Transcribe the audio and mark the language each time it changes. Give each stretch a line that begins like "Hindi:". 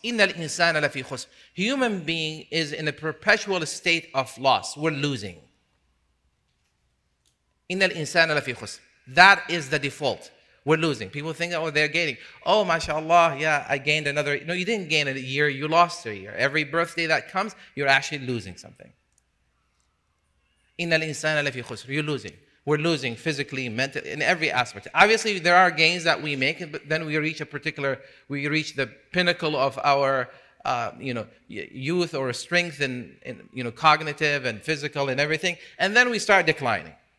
Arabic: إِنَّ الْإِنسَانَ لَفِي خُسْرٍ
English: Human being is in a perpetual state of loss. We're losing.
Arabic: إِنَّ الْإِنسَانَ لَفِي خُسْرٍ
English: That is the default. We're losing. People think, oh, they're gaining. Oh, mashallah, yeah, I gained another. No, you didn't gain a year. You lost a year. Every birthday that comes, you're actually losing something.
Arabic: إِنَّ الْإِنسَانَ لَفِي خُسْرٍ
English: You're losing. We're losing physically, mentally, in every aspect. Obviously, there are gains that we make, but then we reach the pinnacle of our, youth or strength in cognitive and physical and everything, and then we start declining.